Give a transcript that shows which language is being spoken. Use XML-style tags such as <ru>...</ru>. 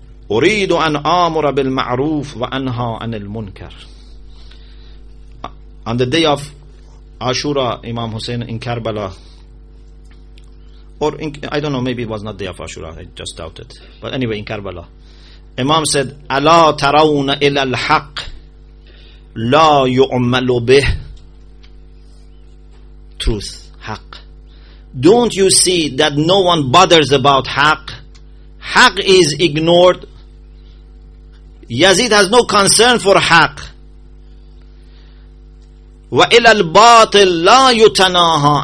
<ar>أُرِيدُ أَنْ أَمُرَ بِالْمَعْرُوفِ وَأَنْهَا أَنِ الْمُنْكَرِ.</ar> <en>On the day of Ashura, Imam Hussein in Karbala, or in, I don't know, maybe it was not day of Ashura, I just doubt it. But anyway, in Karbala, Imam said,</en> <ar>أَلَا تَرَوْنَ إِلَى الْحَقِّ لَا يُعْمَلُ بِهِ.</ar> <en>Truth, Haqq. Don't you see that no one bothers about Haqq? Haqq is ignored. Yazid has no concern for Haqq.</en> <ar>وَإِلَى الْبَاطِلِ لَا يُتَنَاهَا.</ar>